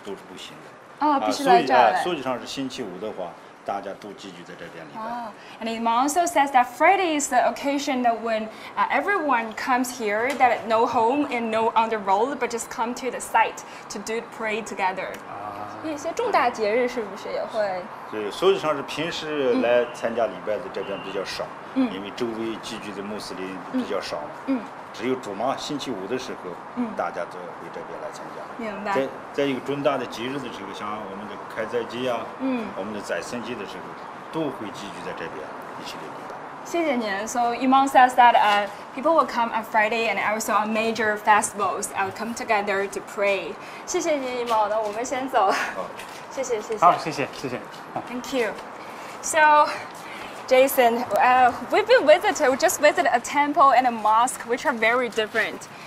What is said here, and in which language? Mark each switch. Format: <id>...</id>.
<zh>但是星期五的这一次礼拜的话，中午1:30到2:30这一段时间的这个是必须要大家一起来聚礼，在家里边在路上都是不行的。啊，必须来聚礼。所以上是星期五的话。</zh> <en>And Imam also says that Friday is the occasion that when everyone comes here, that no home and no on the road, but just come to the site to do pray together.</en> <zh>一些重大节日是不是也会？对，所以上是平时来参加礼拜的这边比较少，因为周围聚居的穆斯林比较少，只有主嘛，星期五的时候，大家都会这边来参加。明白。再一个重大的节日的时候，像我们的开斋节啊，我们的宰牲节的时候，都会聚居在这边一起礼拜。谢谢您.</zh> <en>So Iman says that people will come on Friday and also on major festivals and come together to pray.</en> <zh>谢谢您，Iman。那我们先走。好，谢谢，谢谢。好，谢谢，谢谢。</zh> <en>Thank you. So, Jason, we just visited a temple and a mosque, which are very different.</en>